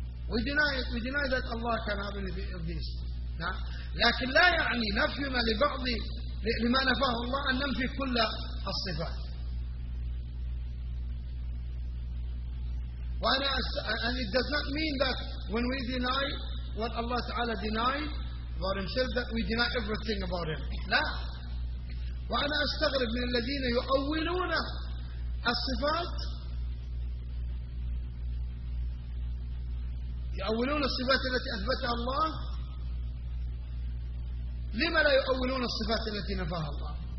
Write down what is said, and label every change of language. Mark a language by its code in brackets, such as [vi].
[en] We deny it. We deny that Allah can have any of this. [ar] نعم. لكن لا يعني نفهم لبعض لما نفاه الله أن ننفي كل الصفات. [en] And it does not mean that when we deny what Allah Ta'ala denied about Himself, that we deny everything about Him. No. [ar] وأنا أستغرب من الذين يؤولون الصفات يؤولون الصفات التي أثبتها الله لما لا يؤولون الصفات التي نفاها الله